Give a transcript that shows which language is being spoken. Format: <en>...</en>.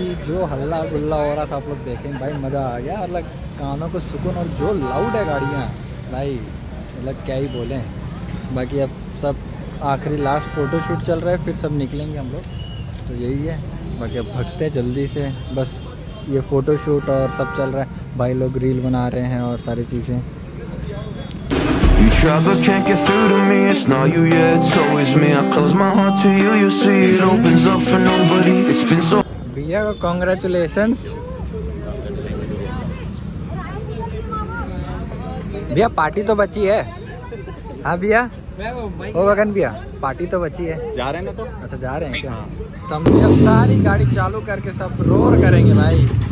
<hi>जो हल्ला गुल्ला हो रहा था आप लोग देखें भाई, मज़ा आ गया, अलग कानों को सुकून, और जो लाउड है गाड़ियाँ भाई, अलग क्या ही बोलें। बाकी अब सब आखिरी लास्ट फोटो शूट चल रहा है, फिर सब निकलेंगे हम लोग, तो यही है। बाकी अब भगते हैं जल्दी से, बस ये फ़ोटो शूट और सब चल रहा है, भाई लोग रील बना रहे हैं और सारी चीज़ें।</hi> <en>You try but can't get through to me. It's not you, yeah, it's always me. I close my heart to you, you see it opens up for nobody. It's been so.</en> <hi>भैया को congratulations, भैया party तो बची है। हाँ भैया, ओ गगन भैया, party तो बची है, जा रहे हैं ना? तो अच्छा जा रहे हैं क्या? तो हम भैया सारी गाड़ी चालू करके सब रोर करेंगे भाई,</hi>